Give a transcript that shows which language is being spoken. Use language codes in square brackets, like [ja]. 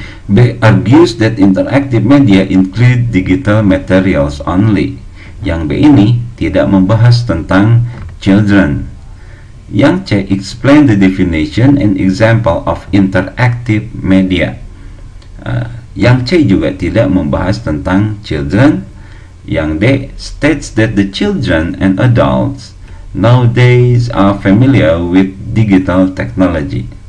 [en] B, argues that interactive media include digital materials only. [id] Yang B ini tidak membahas tentang children. [en] Yang C, explain the definition and example of interactive media. [id] Yang C juga tidak membahas tentang children. [en] Yang D, states that the children and adults nowadays are familiar with digital technology.